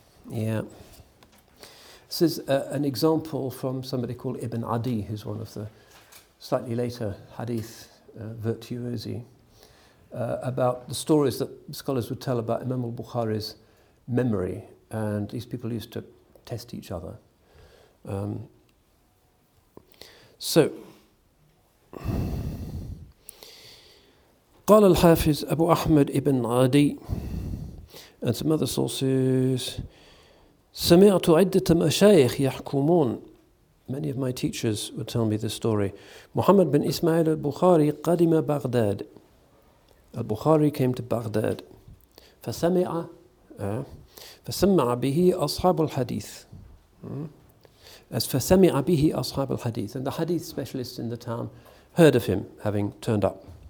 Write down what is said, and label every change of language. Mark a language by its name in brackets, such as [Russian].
[English] Yeah. This is an example from somebody called Ibn Adi, who's one of the slightly later hadith virtuosi, about the stories that scholars would tell about Imam al-Bukhari's memory. And these people used to test each other. So, [Arabic] قال الحافظ أبو أحمد ابن عدي [English] and some other sources. [Arabic] سمعت عدة مشايخ يحكمون. [English] Many of my teachers would tell me this story. Muhammad bin Ismail al-Bukhari [Arabic] قدم بغداد. [English] Al-Bukhari came to Baghdad. [Arabic] فسمع به أصحاب الحديث. [English] As [Arabic] فَسَمِعَ بِهِ أَصْحَابَ الْحَدِيثِ, [English] and the hadith specialists in the town heard of him having turned up.